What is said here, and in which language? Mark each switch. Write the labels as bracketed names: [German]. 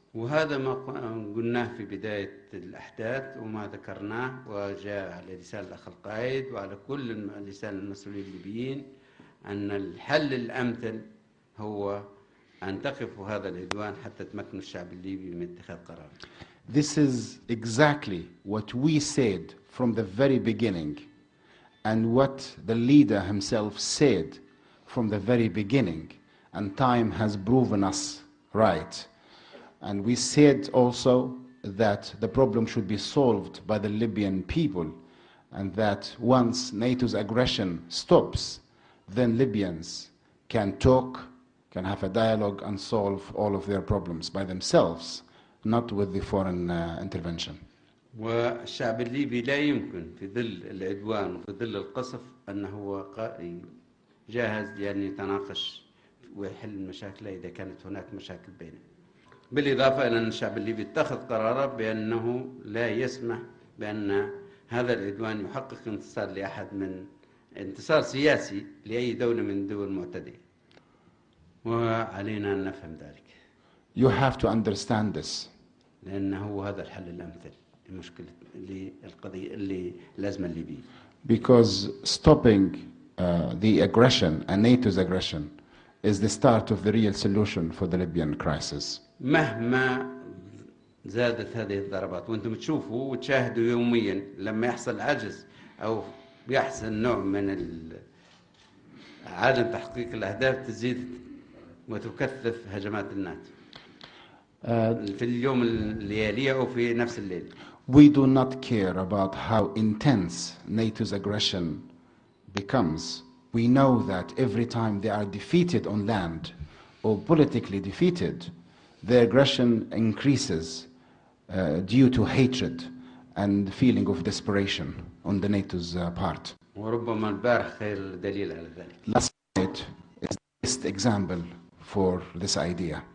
[Arabic] وهذا ما قلناه في بداية الأحداث وما ذكرناه وجاء على لسان الأخ القائد وعلى كل لسان المسؤولين الليبيين أن الحل الأمثل هو أن تقف هذا العدوان حتى تمكن الشعب الليبي من اتخاذ قرار. [English] This is exactly what we said from the very beginning and what the leader himself said from the very beginning, and time has proven us right. And we said also that the problem should be solved by the Libyan people, and that once NATO's aggression stops, then Libyans can talk, can have a dialogue and solve all of their problems by themselves, not with the foreign intervention. [Arabic] والشعب الليبي لا يمكن في ظل العدوان وفي ظل القصف أن هو جاهز لأن يتناقش ويحل المشاكل إذا كانت هناك مشاكل بينه. بالإضافة إلى أن الشعب الليبي اتخذ قراره بأنه لا يسمح بأن هذا العدوان يحقق انتصار لأحد من انتصار سياسي لأي دولة من دول المعتدية. وعلينا أن نفهم ذلك. [English] You have to understand this. [Arabic] لأنه هو هذا الحل الأمثل لمشكلة للقضية للأزمة الليبية. [English] Because stopping the aggression and NATO's aggression is the start of the real solution for the Libyan crisis. [Arabic] مهما زادت هذه الضربات وانتم تشوفوا وتشاهدوا يوميا لما يحصل عجز او يحصل نوع من عدم تحقيق الاهداف تزيد وتكثف هجمات الناتو في اليوم الليالي او في نفس الليل. [English] We do not care about how intense NATO's aggression becomes. We know that every time they are defeated on land or politically defeated, their aggression increases due to hatred and feeling of desperation on the NATO's part. [Arabic] وربما البارح خير دليل على ذلك. [English] Last night is the best example for this idea.